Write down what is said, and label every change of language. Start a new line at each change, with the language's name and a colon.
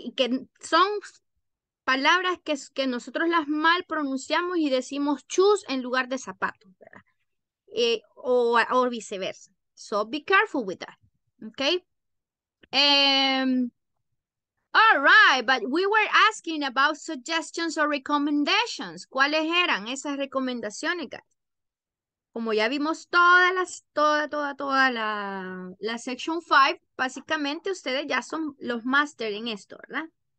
Spanish: Que son palabras que nosotros las mal pronunciamos y decimos shoes en lugar de zapatos, ¿verdad? O viceversa.
English: So be careful with that, okay? All right, but we were asking about suggestions or recommendations.
Spanish: ¿Cuáles eran esas recomendaciones, guys? Como ya vimos toda la section 5, básicamente ustedes ya son los master en esto, ¿verdad?